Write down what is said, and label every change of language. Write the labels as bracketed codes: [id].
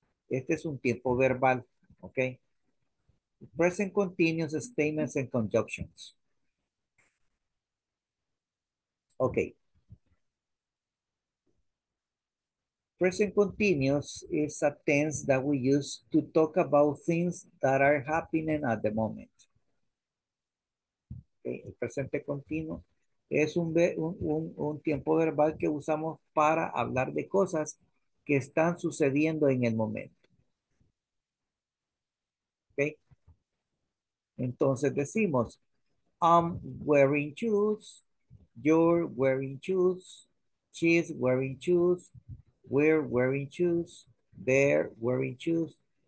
[es] Este es un tiempo verbal. [en] ¿Ok? Present continuous statements and conjunctions. Okay. Present continuous is a tense that we use to talk about things that are happening at the moment. Okay. [es] El presente continuo es un tiempo verbal que usamos para hablar de cosas que están sucediendo en el momento. [en] Okay. [es] Entonces decimos, [en] I'm wearing shoes, you're wearing shoes, she's wearing shoes, we're wearing shoes, they're wearing shoes.